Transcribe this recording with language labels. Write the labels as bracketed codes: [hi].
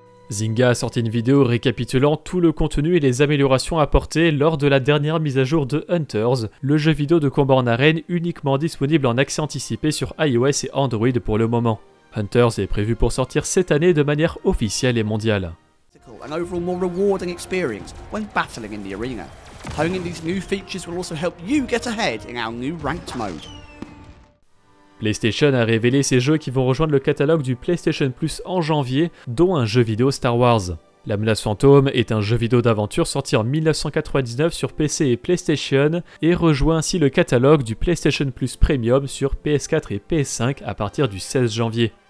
[fr] Zynga a sorti une vidéo récapitulant tout le contenu et les améliorations apportées lors de la dernière mise à jour de Hunters, le jeu vidéo de combat en arène uniquement disponible en accès anticipé sur iOS et Android pour le moment. Hunters est prévu pour sortir cette année de manière officielle et mondiale. [en] An overall more rewarding experience when battling in the arena. Honing these new features will also help you get ahead in our new ranked mode. [fr] PlayStation a révélé ses jeux qui vont rejoindre le catalogue du PlayStation Plus en janvier, dont un jeu vidéo Star Wars. La Menace Fantôme est un jeu vidéo d'aventure sorti en 1999 sur PC et PlayStation et rejoint ainsi le catalogue du PlayStation Plus Premium sur PS4 et PS5 à partir du 16 janvier.